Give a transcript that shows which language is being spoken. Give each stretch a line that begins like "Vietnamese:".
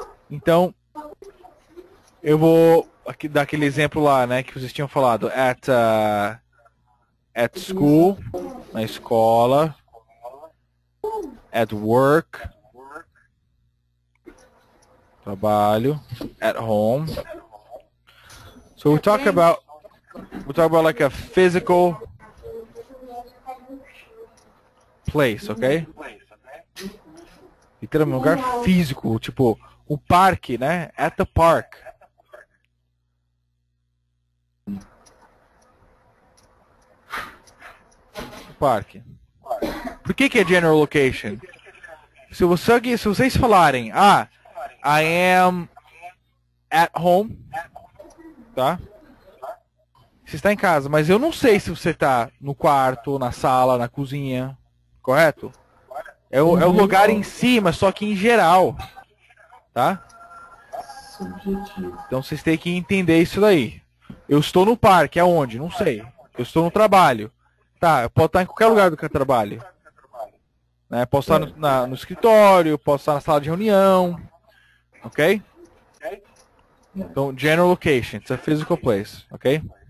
Portuguese: Então, eu vou aqui dar aquele exemplo lá, né, que vocês tinham falado at school, na escola, at work, trabalho, at home.
English: So we talk about like a physical place, okay?
Portuguese: Literalmente um lugar físico, tipo o parque, né? At the park. O parque. Por que que é general location? Se vocês falarem, ah, I am at home, tá? Você está em casa, mas eu não sei se você está no quarto, na sala, na cozinha, correto? É o lugar em si, mas só que em geral, tá? Subjetivo. Então vocês têm que entender isso daí. Eu estou no parque, aonde? Não sei. Eu estou no trabalho. Tá, eu posso estar em qualquer lugar do que eu trabalho. Né? Posso estar no escritório, posso estar na sala de reunião, ok?
English: Então, general location, it's a physical place, ok?